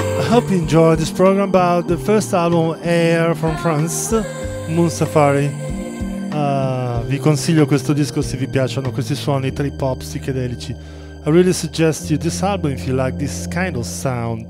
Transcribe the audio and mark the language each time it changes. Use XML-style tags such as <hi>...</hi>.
<en>Hope you enjoyed this program about the first album Air from France, Moon Safari.</en> <it>Vi consiglio questo disco se vi piacciono questi suoni trip hop psichedelici.</it> <en>I really suggest you this album if you like this kind of sound.</en>